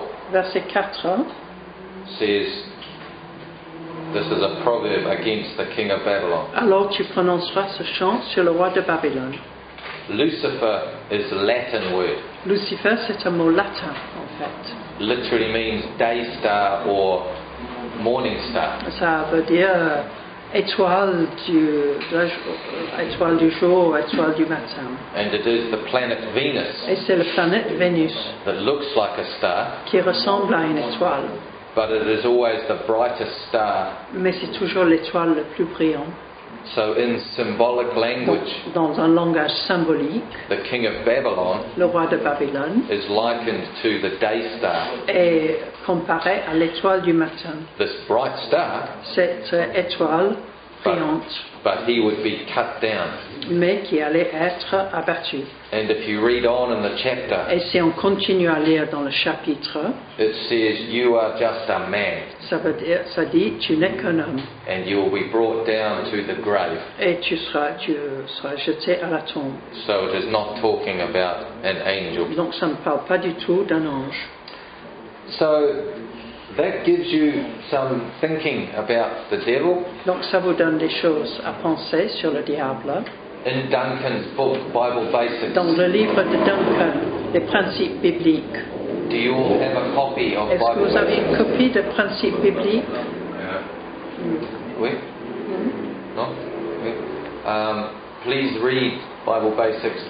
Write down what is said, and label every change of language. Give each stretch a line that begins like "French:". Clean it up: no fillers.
English: Verset 4 says, this is a proverb against the king of Babylon.
French: Alors tu prononceras ce chant sur le roi de Babylone.
English: Lucifer is a Latin word.
French: Lucifer, c'est un mot latin, en fait.
English: Literally means day star or morning star.
French: Ça veut dire étoile du jour, étoile du matin.
English: And it is the planet Venus.
French: Et c'est la planète Vénus.
English: That looks like a star.
French: Qui ressemble à une étoile.
English: But it is always the brightest star.
French: Mais c'est toujours l'étoile la plus brillante.
English: So in symbolic language,
French: dans un langage symbolique,
English: the king of Babylon,
French: le roi de Babylone,
English: is likened to the day star.
French: Est comparé à l'étoile du matin.
English: This bright star.
French: Cette étoile brillante.
English: But he would be cut down.
French: Mais qui allait être abattu.
English: And if you read on in the chapter,
French: et si on continue à lire dans le chapitre,
English: it says you are just a man.
French: Ça dit tu n'es qu'un homme.
English: And you will be brought down to the grave.
French: Et tu seras jeté à la tombe.
English: So it is not talking about an angel.
French: Donc ça ne parle pas du tout d'un ange.
English: So that gives you some thinking about the devil.
French: Donc ça vous donne des choses à penser sur le diable.
English: In Duncan's book, Bible Basics.
French: Dans le livre de Duncan, les principes bibliques.
English: Do you all have a copy of Bible Basics?
French: Est-ce que vous avez une copie de principes bibliques? Oui. Non. Oui.
English: Please read Bible Basics.